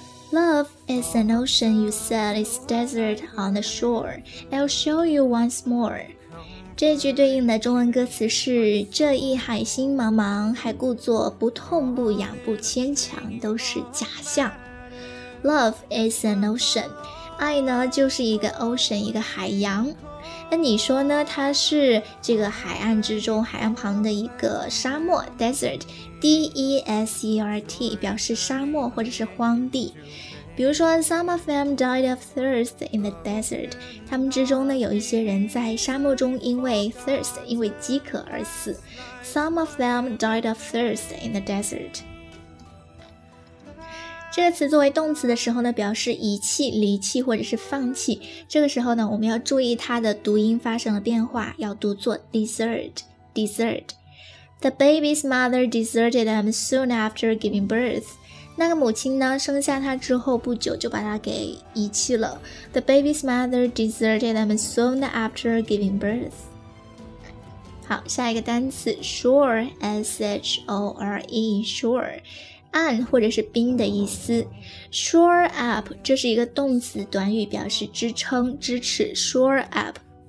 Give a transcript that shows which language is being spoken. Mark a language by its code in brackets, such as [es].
[en] Love is an ocean, you said, it's desert on the shore. I'll show you once more. [zh] 这句对应的中文歌词是这一海心茫茫，还故作不痛不痒不牵强，都是假象。 [en] Love is an ocean, [zh] 爱呢就是一个 ocean, 一个海洋。那你说呢，它是这个海岸之中海岸旁的一个沙漠 desert, D-E-S-E-R-T, 表示沙漠或者是荒地。比如说 [en] Some of them died of thirst in the desert. [zh] 他们之中呢有一些人在沙漠中因为 thirst, 因为饥渴而死。 [en] Some of them died of thirst in the desert. [zh] 这个词作为动词的时候呢，表示遗弃、离弃或者是放弃。这个时候呢，我们要注意它的读音发生了变化，要读作 desert, desert. [en] The baby's mother deserted them soon after giving birth. [zh] 那个母亲呢，生下他之后不久就把他给遗弃了。 [en] The baby's mother deserted them soon after giving birth. [zh] 好，下一个单词 shore, S-H-O-R-E, shore, 岸或者是冰的意思。 Shore up, 这是一个动词短语，表示支撑、支持。Shore up,